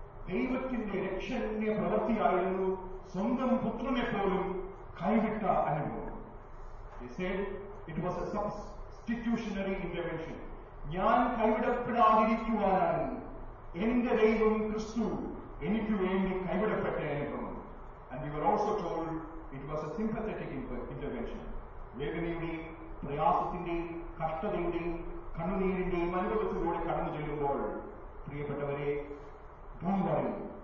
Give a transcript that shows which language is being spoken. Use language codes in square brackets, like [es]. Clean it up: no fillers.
[ml] ദൈവത്തിന്റെ രക്ഷന്റെ പ്രവൃത്തിയായിരുന്നു സ്വന്തം പുത്രനെ പോലും കൈവിട്ട അനുഭവം. [en] They said it was a substitutionary intervention. [ml] ഞാൻ കൈവിടപ്പെടാതിരിക്കുവാനാണ് എന്റെ ദൈവം ക്രിസ്തു എനിക്ക് വേണ്ടി കൈവിടപ്പെട്ട അനുഭവം. [en] And we were also told it was a sympathetic intervention. [ml] വേദനയുടെയും പ്രയാസത്തിന്റെയും കഷ്ടതയുടെയും കണ്ണുനീരിന്റെയും അനുഭവത്തിലൂടെ കടന്നു ചെല്ലുമ്പോൾ പ്രിയപ്പെട്ടവരെ ഭൂമറിയും